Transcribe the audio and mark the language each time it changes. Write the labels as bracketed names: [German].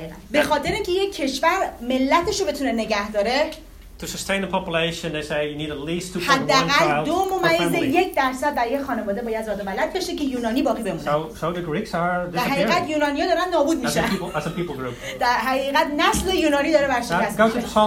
[Persian] به خاطر اینکه یک کشور ملتشو بتونه نگه داره. [English] To sustain the population, they say you need at least [Persian] 2.1% در یک خانواده باید زاد و ولد بشه که یونانی باقی بمونه. [English] So the Greeks are disappearing. [Persian] در حقیقت یونانی ها دارن نابود میشن. [English] As a people group. [Persian] در حقیقت نسل یونانی داره برشکست میشه.